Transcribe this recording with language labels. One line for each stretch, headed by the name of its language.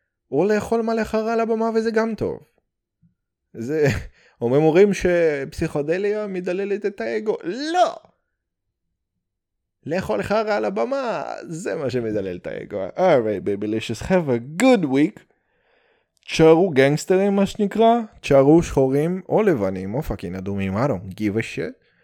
Hebrew: או לאכול מלא חרה על הבמה, וזה גם טוב. זה, אומרים הורים שפסיכודליה מדללת את האגו. לא! לאכול חרה על הבמה, זה מה שמדלל את האגו.
English: All right, baby, let's have a good week.
Hebrew: תשארו גנגסטרים, מה שנקרא. תשארו שחורים או לבנים, או פאקין אדומים,
English: I don't give a shit.